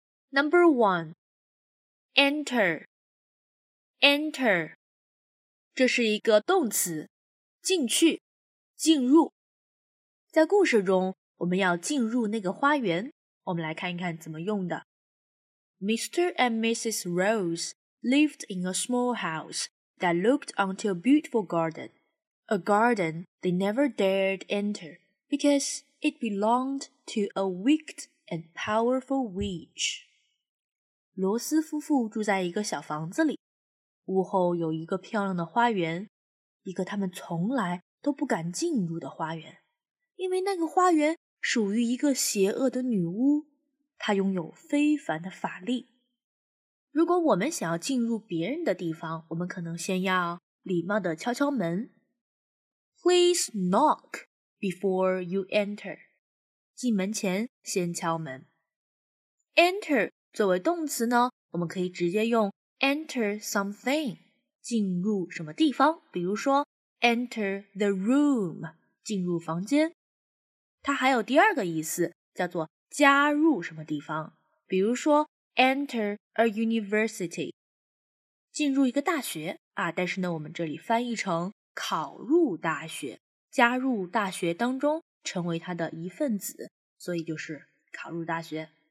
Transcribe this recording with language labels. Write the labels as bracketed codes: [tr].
[en] Number one， [zh] Enter， 这是一个动词，进去，进入。在故事中，我们要进入那个花园，我们来看一看怎么用的。 [en] Mr. and Mrs. Rose lived in a small house that looked onto a beautiful garden, a garden they never dared enter because it belonged to a wicked and powerful witch. [zh] 罗斯夫妇住在一个小房子里，屋后有一个漂亮的花园，一个他们从来都不敢进入的花园，因为那个花园属于一个邪恶的女巫，她拥有非凡的法力。如果我们想要进入别人的地方，我们可能先要礼貌地敲敲门。 [en] Please knock before you enter. [zh] 进门前先敲门。 Enter 作为动词呢，我们可以直接用 [en] enter something， [zh] 进入什么地方，比如说 [en] enter the room， [zh] 进入房间。它还有第二个意思，叫做加入什么地方，比如说 [en] Enter a university， [zh] 进入一个大学啊，但是呢，我们这里翻译成考入大学，加入大学当中，成为它的一份子，所以就是考入大学。